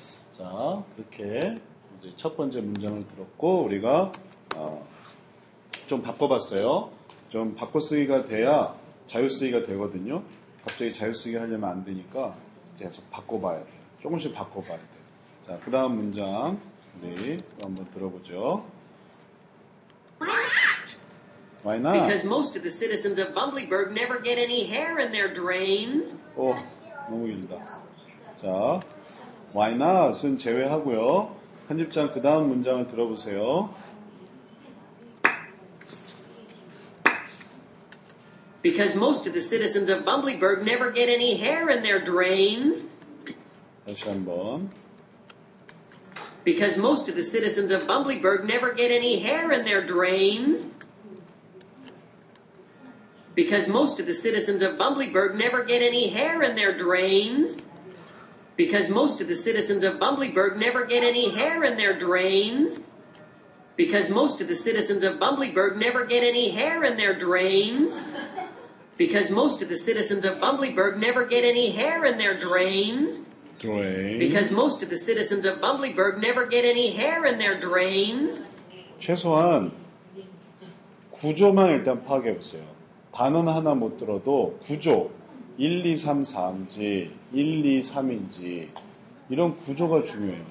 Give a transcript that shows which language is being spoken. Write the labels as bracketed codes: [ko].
[ko] 자, 그렇게 이제 첫 번째 문장을 들었고 우리가 좀 바꿔봤어요. 좀 바꿔쓰기가 돼야 자유쓰기가 되거든요. 갑자기 자유쓰기 하려면 안 되니까 계속 바꿔봐야 돼. 조금씩 바꿔봐야 돼. 자, 그 다음 문장 우리 또 한번 들어보죠. [en] Why not? Because most of the citizens of Bumblyburg never get any hair in their drains. [ko] 오, 너무 길다. 자, [en] why not [ko] 은 제외하고요. 편집장 그 다음 문장을 들어보세요. [en] Because most of the citizens of Bumblyburg never get any hair in their drains. [ko] 다시 한번. [en] Because most of the citizens of Bumblyburg never get any hair in their drains. Because most of the citizens of Bumblyburg never get any hair in their drains. Because most of the citizens of Bumblyburg never get any hair in their drains. Because most of the citizens of Bumblyburg never get any hair in their drains. Because most of the citizens of Bumblyburg never get any hair in their drains. Drain. Because most of the citizens of Bumblyburg never get any hair in their drains. [ko] 최소한 구조만 일단 파악해 보세요. 단어는 하나 못 들어도 구조 1, 2, 3, 4인지 1, 2, 3인지 이런 구조가 중요해요.